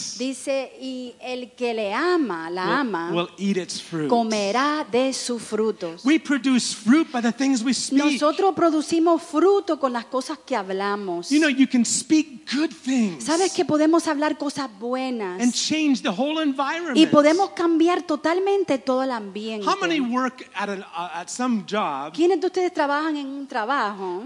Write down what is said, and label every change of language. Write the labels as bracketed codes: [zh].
[es] dice, y el que le ama, la ama, [en] will eat its fruit. [es] Comerá de sus frutos. [en] We produce fruit by the things we speak. [es] Nosotros producimos fruto con las cosas que hablamos. [en] You know, you can speak good things. [es] Sabes que podemos hablar cosas buenas. [en] And change the whole environment. [es] Y podemos cambiar totalmente todo el ambiente. [en] How many work at some job? [es] ¿Quiénes de ustedes trabajan en un trabajo